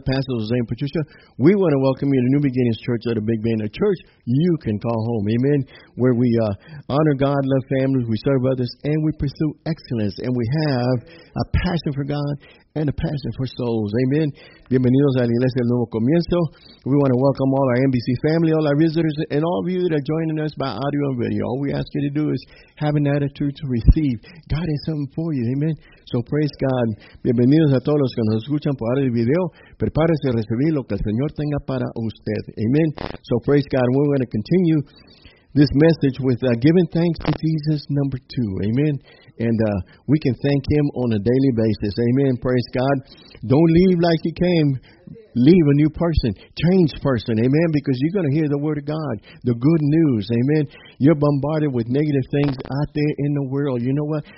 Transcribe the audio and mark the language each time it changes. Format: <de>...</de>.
<en>Pastor Jose and Patricia, we want to welcome you to New Beginnings Church at the Big Bend, a church you can call home. Amen. Where we honor God, love families, we serve others, and we pursue excellence. And we have a passion for God and a passion for souls. Amen.</en> <es>Bienvenidos a la Iglesia del Nuevo Comienzo.</es> <en>We want to welcome all our NBC family, all our visitors, and all of you that are joining us by audio and video. All we ask you to do is have an attitude to receive. God has something for you. Amen. So praise God.</en> <es>Bienvenidos a todos los que nos escuchan por audio y video. Prepárese a recibir lo que el Señor tenga para usted.</es> <en>Amen. So praise God. We're going to continue this message with giving thanks to Jesus, number two. Amen. And we can thank Him on a daily basis. Amen. Praise God. Don't leave like you came. Leave a new person. Change person. Amen. Because you're going to hear the Word of God, the good news. Amen. You're bombarded with negative things out there in the world. You know what?</en>